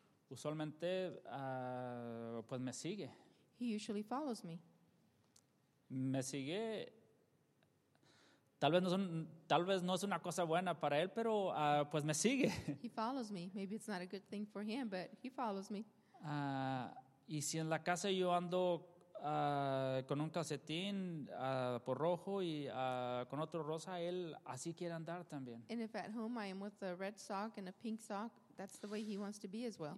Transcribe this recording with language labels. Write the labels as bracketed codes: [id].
[es] Usualmente, pues me sigue. [en] He usually follows me. [es] Me sigue. Tal vez no es una cosa buena para él, pero pues me sigue. [en] He follows me. Maybe it's not a good thing for him, but he follows me. [es] Y si en la casa yo ando con un calcetín por rojo y con otro rosa, él así quiere andar también. [en] And if at home I am with a red sock and a pink sock, that's the way he wants to be as well.